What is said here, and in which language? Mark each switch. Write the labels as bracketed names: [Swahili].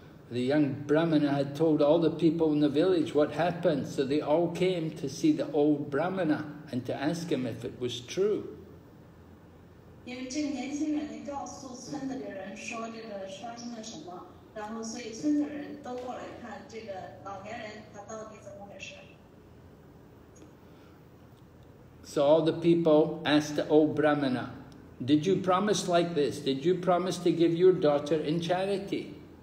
[English] The young brahmana had told all the people in the village what happened, so they all came to see the old brahmana and to ask him if it was true. [Chinese] 因为这个年轻人，你告诉村子的人说这个发生了什么，然后所以村子的人都过来看这个老年人他到底怎么回事。 [English] So all the people asked the old brahmana, "Did you promise like this? Did you promise to give your daughter in charity?"